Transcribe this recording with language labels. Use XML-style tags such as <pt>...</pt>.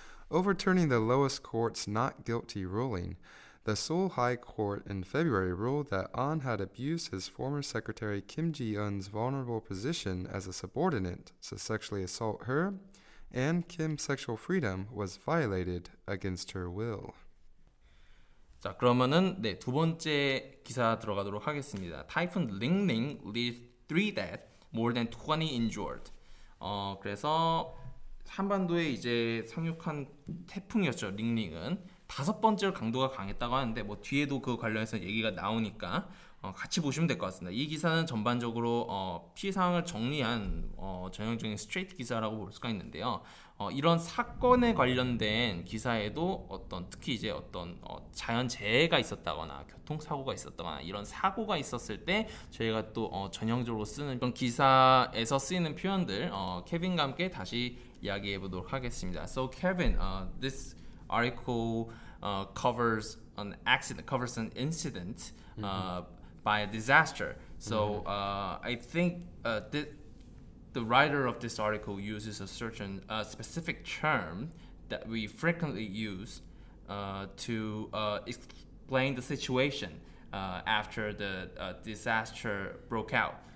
<en>Overturning the lowest court's not guilty ruling, the Seoul High Court in February ruled that An had abused his former secretary Kim Ji-eun's vulnerable position as a subordinate to sexually assault her, and Kim's sexual freedom was violated against her will.</en> <ko>자, 그러면은 네, 두 번째 기사 들어가도록 하겠습니다.</ko> <en>Typhoon Lingling leaves 3 dead, more than 20 injured.</en> <ko>그래서 한반도에 이제 상륙한 태풍이었죠, 링링은. 다섯 번째로 강도가 강했다고 하는데 뭐 뒤에도 그 관련해서 얘기가 나오니까 같이 보시면 될 것 같습니다. 이 기사는 전반적으로 피해 상황을 정리한 전형적인 스트레이트 기사라고 볼 수가 있는데요. 이런 사건에 관련된 기사에도 어떤 특히 이제 어떤 자연재해가 있었다거나 교통사고가 있었다거나 이런 사고가 있었을 때 저희가 또 전형적으로 쓰는 이런 기사에서 쓰이는 표현들 케빈과 함께 다시 이야기해 보도록 하겠습니다.</ko> <en>So Kevin, this article covers an incident by a disaster. So I think the writer of this article uses a certain specific term that we frequently use to explain the situation after the disaster broke out.</en>